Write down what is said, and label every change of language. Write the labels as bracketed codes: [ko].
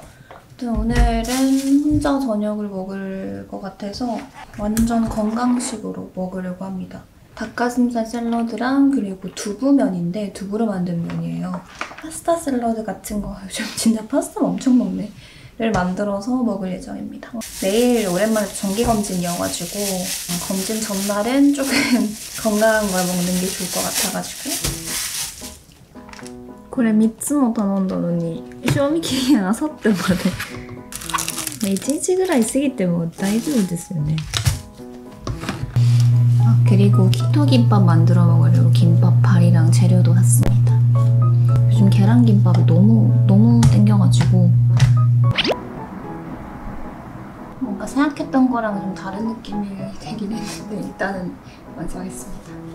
[ko] 아무튼 오늘은 혼자 저녁을 먹을 것 같아서 완전 건강식으로 먹으려고 합니다. 닭가슴살 샐러드랑 그리고 두부면인데 두부로 만든 면이에요. 파스타 샐러드 같은 거 요즘 진짜 파스타 엄청 먹네. 를 만들어서 먹을 예정입니다. 내일 오랜만에 정기검진이어가지고 검진 전날은 조금 건강한 걸 먹는 게 좋을 것 같아가지고 [ja] これ 3つも 頼んだのに 賞味期限あさってまで [ko] 네, [ja] 1日ぐらいすぎても大丈夫ですよね. [ko] 아, 그리고 키토김밥 만들어 먹으려고 김밥팔이랑 재료도 샀습니다. 요즘 계란김밥이 너무 땡겨가지고 생각했던 거랑 좀 다른 느낌이 되긴 했는데 일단은 먼저 하겠습니다.